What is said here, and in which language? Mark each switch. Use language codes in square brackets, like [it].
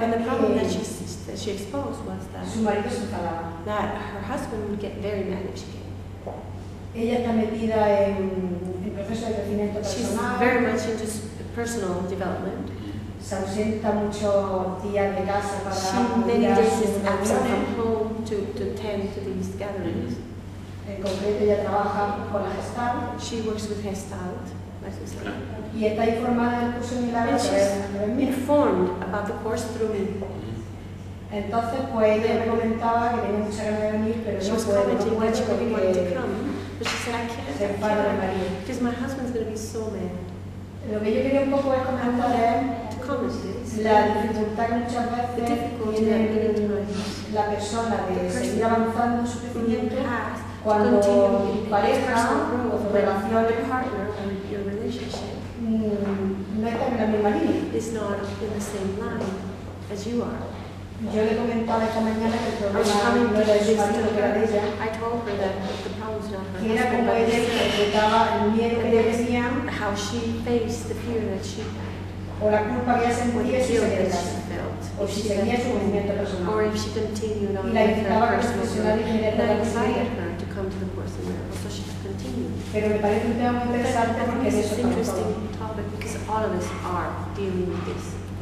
[en] And the problem that she exposed was that [es] su marido se enfadaba. [en] That her husband would get very mad if she came. [es] Ella está metida en proceso de crecimiento personal. [en] She's very much into personal development. [es] Se ausenta mucho días de casa para [en] She many days is absent from home to attend to these gatherings. [es] En concreto, ella trabaja con la Gestalt. [en] She works with Gestalt, as we say. [es] Y está informada del curso de milagros. [en] And she's informed about the course through me. [es] Entonces, pues ella me comentaba que tenía mucha ganas de venir, pero [en] she [es] no puede. [en] She was commenting [es] porque [en] when she wanted to come. But she said, I can't, because my husband's going to be so mad. [es] Lo que yo quería un poco es comentar [en] to comment [es] es la dificultad que muchas veces tiene la persona de seguir avanzando su crecimiento cuando pareja o relación de partner no está en la misma línea. [en] It's not in the same line as you are. [es] Yo le comentaba esta mañana que el problema no era de su marido, que era de ella. [en] I told her that the problem was not her. [es] Que era como ella interpretaba el miedo que tenía. [en] How she faced the fear that she [es] O la culpa que ella sentía si se quedaba. O si seguía su movimiento personal. [en] Or if she continued on [es] y la invitaba a profesional y la invitaba [en] her to come to the course in miracles, so she could continue. [es] Pero me parece un tema muy interesante porque es [en] an interesting topic because all of us are dealing with this.